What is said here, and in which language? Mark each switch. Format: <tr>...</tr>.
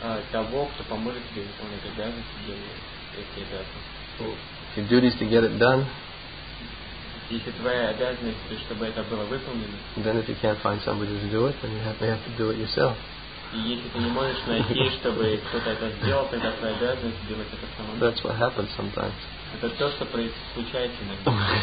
<ru>того, кто поможет тебе выполнить обязанности, делать эти обязанности.</ru> <en>Your duty is to get it done.</en> <ru>Если твоя обязанность, чтобы это было выполнено.</ru> <en>Then if you can't find somebody to do it, then you may have to do it yourself.</en> <ru>И если ты не можешь найти, чтобы кто-то это сделал, тогда твоя обязанность делать это самому.</ru> <en>That's what happens sometimes.</en> <ru>Это то, что происходит иногда.</ru>